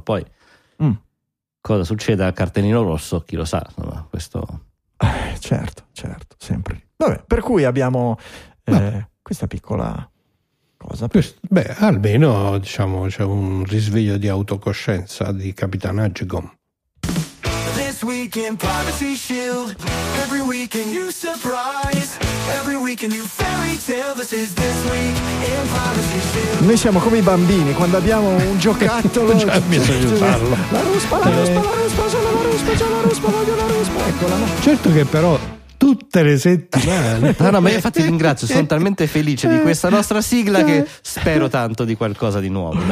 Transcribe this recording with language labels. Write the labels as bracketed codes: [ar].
[it] Poi cosa succede al cartellino rosso? Chi lo sa? Insomma, questo. Certo, certo, sempre. Vabbè, per cui abbiamo questa piccola cosa. Beh, almeno diciamo c'è un risveglio di autocoscienza di Capitan Agigom. [en] This week in Privacy Shield, every week in new surprise, every week in new fairy tale. This is this week in Privacy Shield. [it] Noi siamo come i bambini quando abbiamo un giocattolo. Già bisogna usarlo. La ruspa. Eccola. Certo che però tutte le settimane. No, ma infatti ringrazio, sono talmente felice di questa nostra sigla che spero tanto di qualcosa di nuovo.